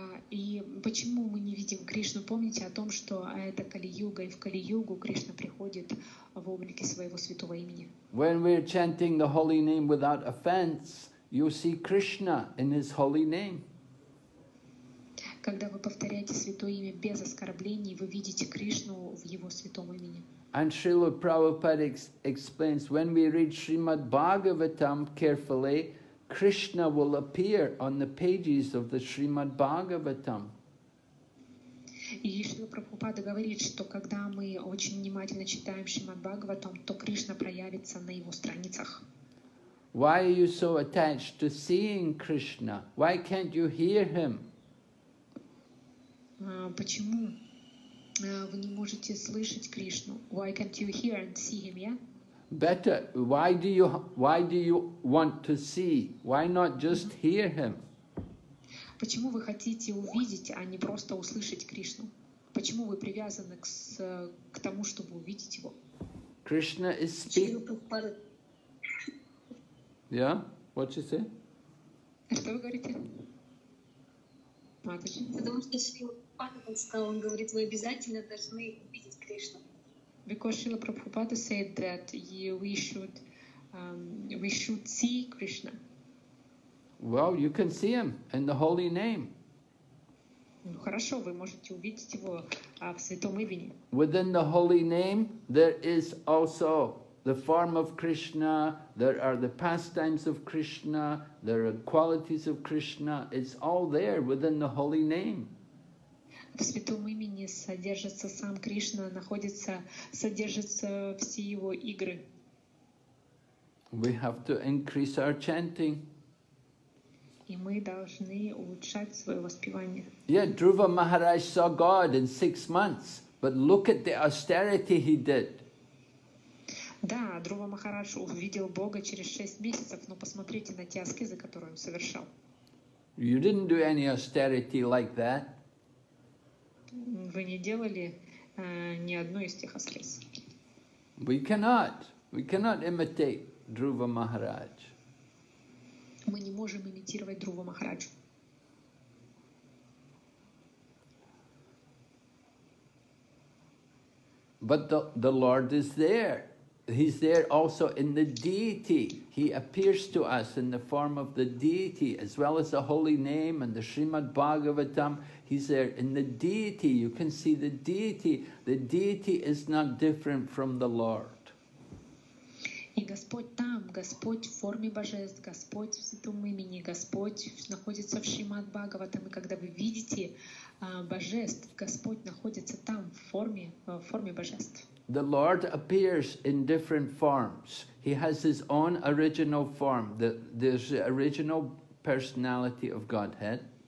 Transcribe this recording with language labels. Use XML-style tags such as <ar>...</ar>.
<ru>И почему мы не видим Кришну? Помните о том, что это Кали Юга, и в Кали Югу Кришна приходит в облике своего святого имени.</ru> <en>When we're chanting the holy name without offense, you see Krishna in His holy name.</en> <ru>Когда вы повторяете святое имя без оскорблений, вы видите Кришну в Его святом имени.</ru> <en>And Srila Prabhupada explains, when we read Srimad Bhagavatam carefully, Krishna will appear on the pages of the Srimad Bhagavatam.</en> <ru>И Шрила Прабхупада говорит, что когда мы очень внимательно читаем Шримад Бхагаватам, то Кришна проявится на его страницах.</ru> <en>Why are you so attached to seeing Krishna? Why can't you hear him?</en> <ru>Почему вы не можете слышать Кришну?</ru> <en>Why can't you hear and see him, yeah? Better, why do you want to see? Why not just hear him?</en> <ru>Почему вы хотите увидеть, а не просто услышать Кришну? Почему вы привязаны к тому, чтобы увидеть его?</ru> <en>Krishna is speaking. Yeah? What you say?</en> <ru>Что вы говорите? Потому что Шрила Прабхупада, он говорит, вы обязательно должны увидеть Кришну.</ru> <en>Because Шрила Прабхупада said that we should see Krishna. Well, you can see him in the holy name.</en> <ru>Ну хорошо, вы можете увидеть его в святом имени.</ru> <en>Within the holy name, there is also the form of Krishna. There are the pastimes of Krishna. There are qualities of Krishna. It's all there within the holy name.</en> <ru>В святом имени содержится сам Кришна, содержится все его игры.</ru> <en>We have to increase our chanting.</en> <ru>И мы должны улучшать свое воспевание.</ru> <en>Yeah, Dhruva Maharaj saw God in 6 months, but look at the austerity he did.</en> <ru>Да, Друва Махарадж увидел Бога через 6 месяцев, но посмотрите на те аскезы, которые он совершал.</ru> <en>You didn't do any austerity like that.</en> <ru>Вы не делали ни одной из тех аскез.</ru> <en>We cannot imitate Dhruva Maharaj.</en> <ru>Мы не можем имитировать Друва Махараджу.</ru> <en>But the Lord is there. He's there also in the deity. He appears to us in the form of the deity, as well as the holy name and the Srimad Bhagavatam. He's there in the deity. You can see the deity. The deity is not different from the Lord.</en> <ru>И Господь там, Господь в форме божеств, Господь в святом имени, Господь находится в Шримад Бхагаватам. И когда вы видите божеств, Господь находится там в форме божеств.</ru> <en>The Lord appears in different forms. He has His own original form, the original personality of Godhead.</en>